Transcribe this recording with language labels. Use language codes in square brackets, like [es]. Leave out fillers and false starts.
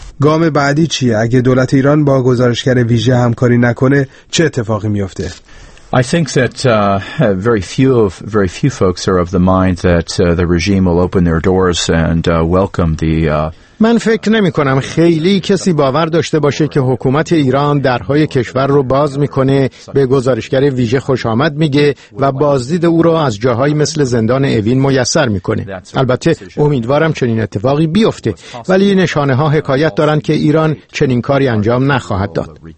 [fa] گام بعدی چیه؟ اگه دولت ایران با گزارشگر ویژه همکاری نکنه چه اتفاقی میفته؟ [en] I think that very few folks are of the mind that the regime will open their doors and welcome the [fa] من فکر نمی‌کنم خیلی کسی باور داشته باشه که حکومت ایران درهای کشور رو باز می‌کنه، به گزارشگر ویژه خوش آمد میگه و بازدید او را از جاهایی مثل زندان اوین میسر می‌کنه. البته امیدوارم چنین اتفاقی بیفته، ولی نشانه‌ها حکایت دارن که ایران چنین کاری انجام نخواهد داد.